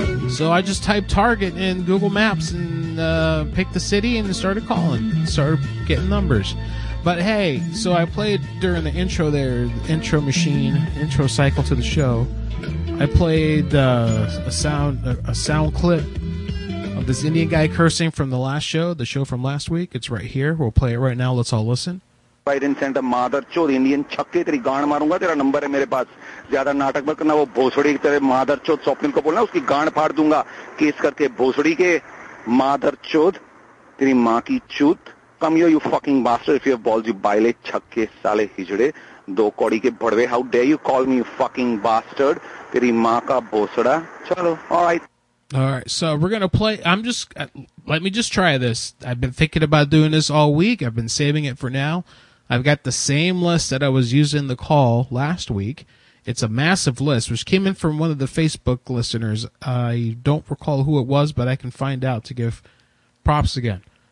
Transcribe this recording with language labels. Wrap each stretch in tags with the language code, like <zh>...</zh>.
<en>So I just typed Target in Google Maps and picked the city and started calling, started getting numbers. But hey, so I played during the intro there, the intro machine, intro cycle to the show. I played a sound clip of this Indian guy cursing from the last show, the show from last week. It's right here. We'll play it right now. Let's all listen. Biden sent a mother</en> <hi>चोद Indian छक्के तेरी गांड मारूंगा तेरा number है मेरे पास ज़्यादा नाटक मत करना वो भोसड़ी की तेरे mother चोद स्वप्निल को बोलना उसकी गांड फाड़ दूंगा केस करके भोसड़ी के mother चोद तेरी माँ की चूत</hi> <en>come here you fucking bastard if you have balls you</en> <hi>ballet छक्के साले हिजड़े दो कौड़ी के भड़वे</hi> <en>how dare you call me you fucking bastard</en> <hi>तेरी माँ का भोसड़ा चलो all right</hi> <en>so we're going to play let me just try this. I've been thinking about doing this all week. I've been saving it for now. I've got the same list that I was using the call last week. It's a massive list, which came in from one of the Facebook listeners. I don't recall who it was, but I can find out to give props again.</en>